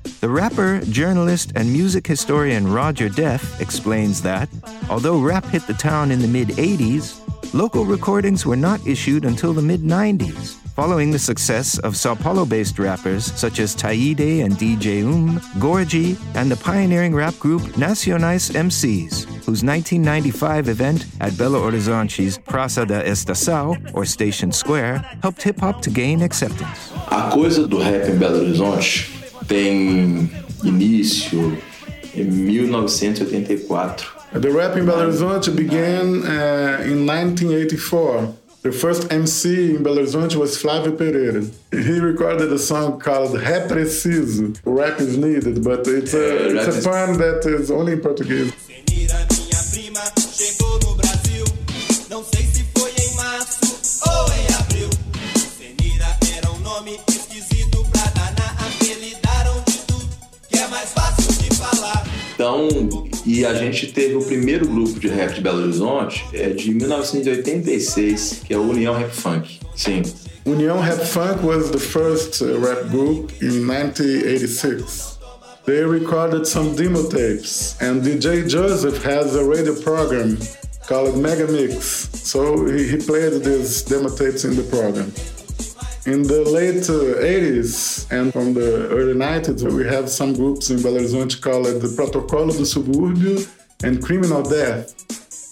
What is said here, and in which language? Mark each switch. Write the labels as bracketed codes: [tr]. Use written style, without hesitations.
[en] The rapper, journalist, and music historian Roger Def explains that, although rap hit the town in the mid-80s, local recordings were not issued until the mid-90s, following the success of Sao Paulo-based rappers such as Taide and DJ Gorgi, and the pioneering rap group Nacionais MCs, whose 1995 event at Belo Horizonte's Praça da Estação, or Station Square, helped hip-hop to gain acceptance. [pt] A coisa do rap em Belo Horizonte tem início em 1984. [en] The rap in Belo Horizonte began in 1984. The first MC in Belo Horizonte was Flavio Pereira. He recorded a song called "É Preciso." Rap is needed, but it's a pun that is only in Portuguese. [pt] Então, e a gente teve o primeiro grupo de rap de Belo Horizonte de 1986, que é o União Rap Funk. Sim. [en] União Rap Funk was the first rap group in 1986. They recorded some demo tapes, and DJ Joseph has a radio program called Mega Mix. So he played these demo tapes in the program. In the late 80s and from the early 90s, we have some groups in Belo Horizonte called the Protocolo do Subúrbio and Criminal Death.